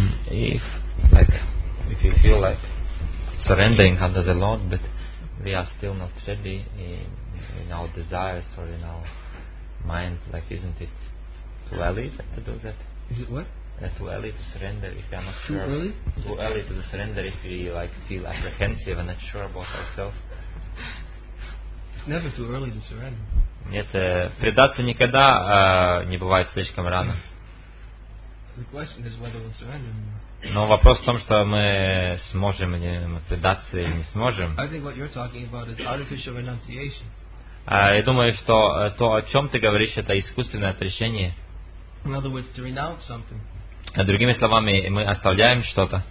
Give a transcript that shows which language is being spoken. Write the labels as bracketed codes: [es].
[en] If you feel like surrendering under the Lord, but we are still not ready in our desires or in our mind, like, isn't it too early to do that? Is it what? Too early to surrender if we are not too sure. Early? Too early to surrender if we like feel apprehensive and not sure about ourselves. It's never too early to surrender. [ru] Нет, предаться никогда не бывает слишком рано. [en] The question is whether we'll surrender. [ru] Но вопрос в том, что мы сможем или мы предаться или не сможем. [en] I think what you're talking about is artificial renunciation. [ru] Я думаю, что то, о чем ты говоришь, это искусственное отречение. [en] In other words, to renounce something. [ru] Другими словами, мы оставляем что-то